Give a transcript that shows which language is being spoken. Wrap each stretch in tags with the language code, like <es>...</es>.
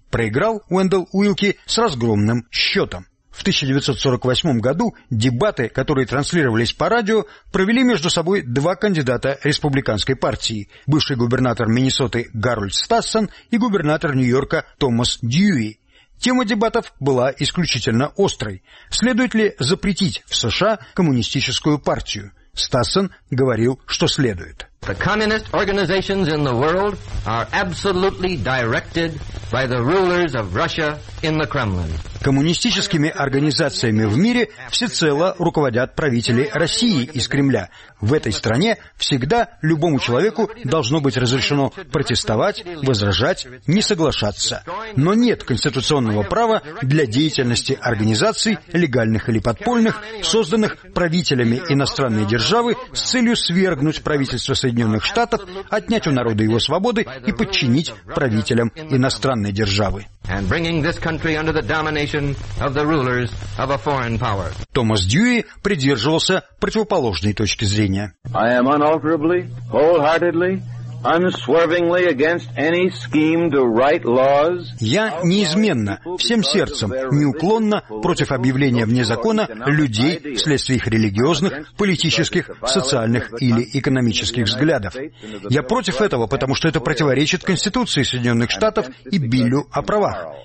<ru>Проиграл Уэндалл Уилки с разгромным счетом. В 1948 году дебаты, которые транслировались по радио, провели между собой 2 кандидата республиканской партии – бывший губернатор Миннесоты Гарольд Стассен и губернатор Нью-Йорка Томас Дьюи. Тема дебатов была исключительно острой. Следует ли запретить в США коммунистическую партию? Стассен говорил, что следует.</ru> <en>The communist organizations in the world are absolutely directed by the rulers of Russia in the Kremlin.</en> <ru>Коммунистическими организациями в мире всецело руководят правители России из Кремля. В этой стране всегда любому человеку должно быть разрешено протестовать, возражать, не соглашаться. Но нет конституционного права для деятельности организаций, легальных или подпольных, созданных правителями иностранной державы с целью свергнуть правительство Соединенных Штатов, отнять у народа его свободы и подчинить правителям иностранной державы. Томас Дьюи придерживался противоположной точки зрения.</ru> <en>I am unalterably, wholeheartedly, unswervingly against any scheme to write laws.</en> <ru>Я неизменно, всем сердцем, неуклонно против объявления вне закона людей вследствие их религиозных, политических, социальных или экономических взглядов. Я против этого, потому что это противоречит Конституции Соединенных Штатов и Биллю о правах.</ru>